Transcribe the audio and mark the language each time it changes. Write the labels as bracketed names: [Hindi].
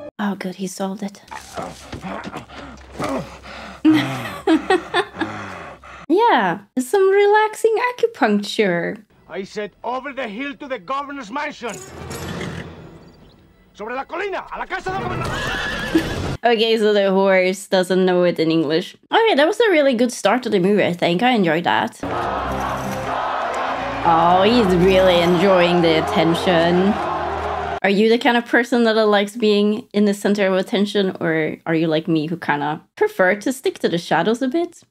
[English] Oh, good, he solved it. Yeah, some relaxing acupuncture. I said over the hill to the governor's mansion. [Spanish] Sobre la colina, a la casa del gobernador. [English] Okay, so the horse doesn't know it in English. Okay, that was a really good start to the movie, I think. I enjoyed that. Oh, he's really enjoying the attention. Are you the kind of person that likes being in the center of attention, or are you like me who kind of prefer to stick to the shadows a bit?